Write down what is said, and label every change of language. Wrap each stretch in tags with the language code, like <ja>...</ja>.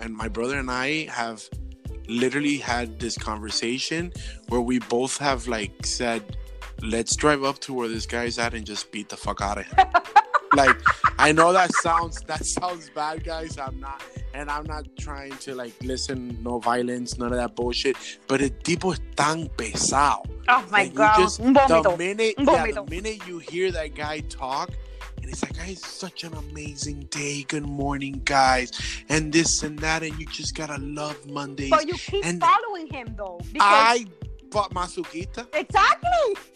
<en>And my brother and I have literally had this conversation where we both have like said, let's drive up to where this guy's at and just beat the fuck out of him. Like, I know that sounds bad, guys. I'm not trying to, like, listen, no violence, none of that bullshit. But</en> <es>el tipo es tan pesado.</es> <en>Oh, my God. Just, the minute you hear that guy talk, and it's like, it's such an amazing day. Good morning, guys. And this and that. And you just got to love Mondays. But you keep and following him, though. Because bought Masuquita. Exactly.</en>